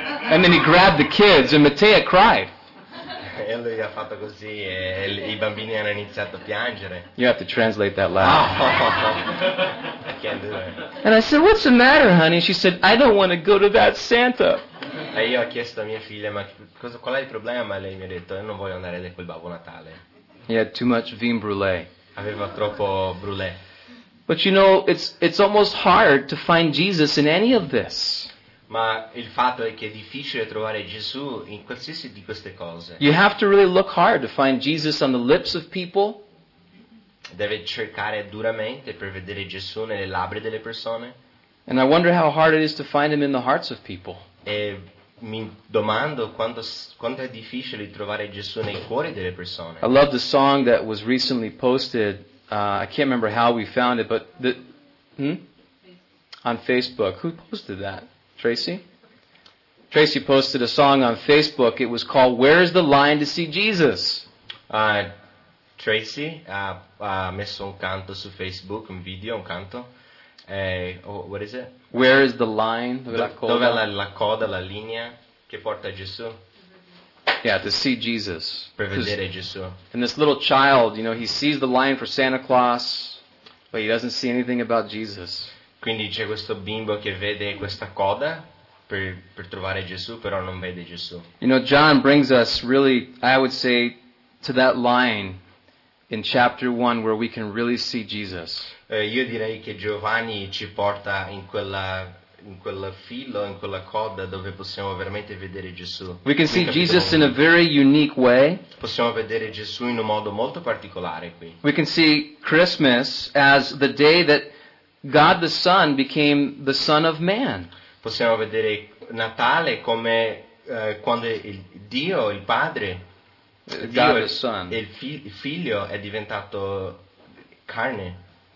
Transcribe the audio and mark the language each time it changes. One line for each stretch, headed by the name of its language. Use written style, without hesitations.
English: And then he grabbed the kids and Matteo cried.
Italian: E lui ha fatto così e i bambini hanno iniziato a piangere.
English: You have to translate that laugh. I can't do it. And I said, what's the matter, honey? She said, I don't want to go to that Santa.
Italian: E io ho chiesto a mia figlia, ma cosa, qual è il problema? E lei mi ha detto, io non voglio andare da quel Babbo Natale.
English: He had too much vin brulee.
Italian: Aveva troppo brulee.
English: But you know, it's almost hard to find Jesus in any of this.
Italian: Ma il fatto è che è difficile trovare Gesù in qualsiasi di queste cose.
English: You have to really look hard to find Jesus on the lips of people.
Italian: Deve cercare duramente per vedere Gesù nelle labbra delle persone.
English: And I wonder how hard it is to find him in the hearts of people.
Italian: E mi domando quanto è difficile trovare Gesù nei cuori delle persone.
English: I love the song that was recently posted. I can't remember how we found it, but the on Facebook. Who posted that? Tracy posted a song on Facebook. It was called "Where Is the Line to See Jesus?"
Italian: Tracy ha messo un canto su Facebook, un video, un canto.
English: What is it? Where is the line?
Italian: Dove la coda, la linea che porta Gesù?
English: Yeah, to see Jesus.
Italian: Per vedere Gesù.
English: And this little child, you know, he sees the line for Santa Claus, but he doesn't see anything about Jesus.
Italian: Quindi c'è questo bimbo che vede questa coda per trovare Gesù, però non vede Gesù.
English: You know, John brings us really, I would say, to that line in chapter 1 where we can really see Jesus.
Italian: Io direi che Giovanni ci porta in quella filo, in quella coda dove possiamo veramente vedere Gesù.
English: We can see Jesus in a very unique way.
Italian: Possiamo vedere Gesù in un modo molto particolare qui.
English: We can see Christmas as the day that God the Son became the Son of Man.
Italian: Possiamo vedere Natale come quando Dio, il Padre,
English: God the Son,
Italian: il figlio è diventato carne.